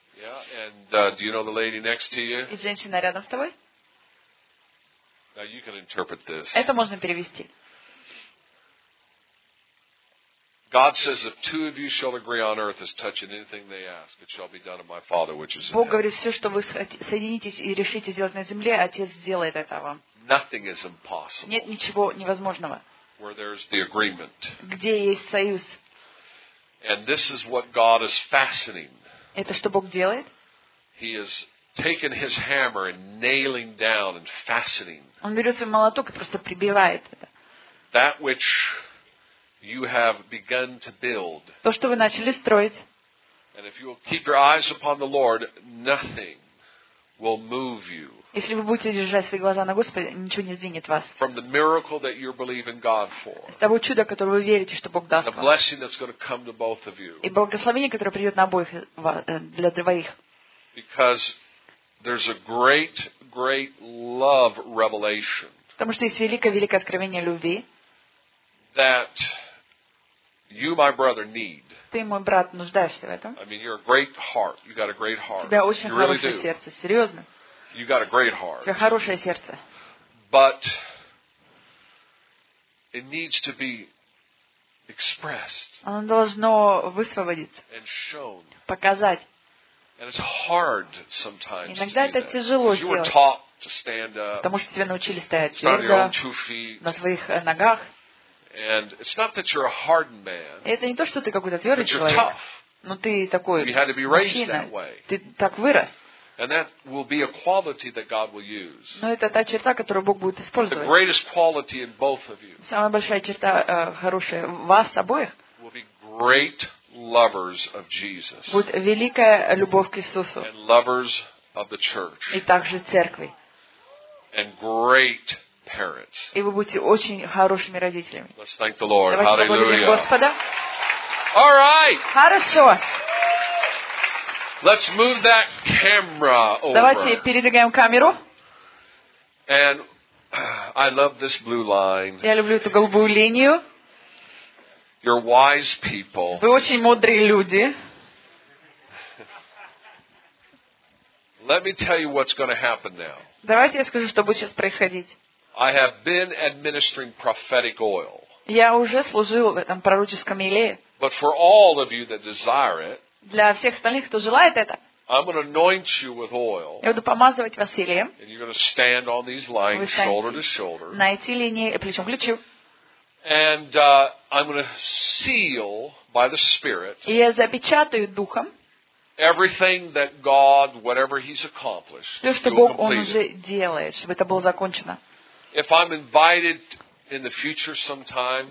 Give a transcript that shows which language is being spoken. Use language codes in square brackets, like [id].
[en] Yeah, and do you know the lady next to you? [ru] И женщина рядом с тобой? [en] Now you can interpret this. [ru] Это можно перевести. [en] God says, if two of you shall agree on earth as touching anything they ask, it shall be done of my Father which is in heaven. [ru] Бог говорит, все, что вы соединитесь и решите сделать на земле, Отец сделает это вам. [en] Nothing is impossible. [ru] Нет ничего невозможного. [en] Where there's the agreement. [ru] Где есть союз. [en] And this is what God is fastening. [ru] Это что Бог делает? [en] He is taking his hammer and nailing down and fastening. [ru] Он берет свой молоток и просто прибивает это. [en] That which you have begun to build. [ru] То, что вы начали строить. [en] And if you will keep your eyes upon the Lord, nothing will move you. [ru] Если вы будете держать свои глаза на Господе, ничего не сдвинет вас. [en] From the miracle that you're believing God for. [ru] Того чуда, которое вы верите, что Бог даст вам. [en] The blessing that's going to come to both of you. [ru] И благословение, которое придет на обоих для двоих. [en] Because there's a great, great love revelation. [ru] Потому что есть великое, великое откровение любви. [en] That you, my brother, need. [ru] Ты, мой брат, нуждаешься в этом. [en] I mean, you're a great heart. You got a great heart. [ru] У тебя очень хорошее сердце. Серьезно. [en] You got a great heart. [ru] У тебя хорошее сердце. [en] But it needs to be expressed. [ru] Оно должно высвободиться. [en] And shown. [ru] Показать. [en] And it's hard sometimes. [ru] Иногда это тяжело сделать. [en] You were taught to stand up. [ru] Потому что тебя научили стоять твердо. На своих ногах. [en] And it's not that you're a hardened man. [ru] Это не то, что ты какой-то твердый человек. Но ты такой. [en] You had to be raised that way. [ru] Ты так вырос. [en] And that will be a quality that God will use. [ru] Но это та черта, которую Бог будет использовать. [en] The greatest quality in both of you. [ru] Самая большая черта хорошая в вас обоих. [en] Will be great lovers of Jesus. [ru] Будет великая любовь к Иисусу. [en] And lovers of the church. [ru] И также церкви. [en] And great parents. [ru] И вы будете очень хорошими родителями. [en] Let's thank the Lord. Hallelujah. [ru] Господа. [en] All right. [ru] Хорошо. [en] Let's move that camera over. [ru] Давайте передвигаем камеру. [en] And I love this blue line. [ru] Я люблю эту голубую линию. [en] You're wise people. [ru] Вы очень мудрые люди. [en] Let me tell you what's going to happen now. [ru] Давайте я скажу, что будет сейчас происходить. [en] I have been administering prophetic oil. [ru] Я уже служил в этом пророческом еле. [en] But for all of you that desire it, [ru] для всех остальных, кто желает это, [en] I'm going to anoint you with oil, [ru] я буду помазывать вас елеем. [en] And you're going to stand on these lines, [ru] вы встанете [en] shoulder to shoulder, [ru] на эти линии плечом к плечу. [en] And, I'm going to seal by the Spirit, [ru] и я запечатаю Духом [en] everything that God, whatever he's accomplished, [ru] все, что Бог он уже делает, чтобы это было закончено. [en] If I'm invited in the future sometime,